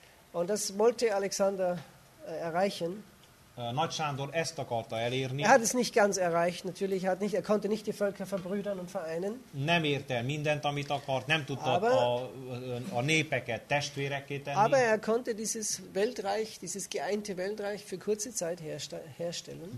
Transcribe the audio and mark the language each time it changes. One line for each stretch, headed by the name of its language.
German: Und das wollte Alexander erreichen.
Hungarian: Nagy Sándor ezt akarta elérni.
German: Er hat es nicht ganz erreicht, natürlich hat nicht, er konnte nicht die Völker verbrüdern und vereinen.
Hungarian: Nem érte mindent, amit akart, nem tudta a népeket testvérekké tenni.
German: Aber er konnte dieses Weltreich, dieses geeinte Weltreich für kurze Zeit herstellen.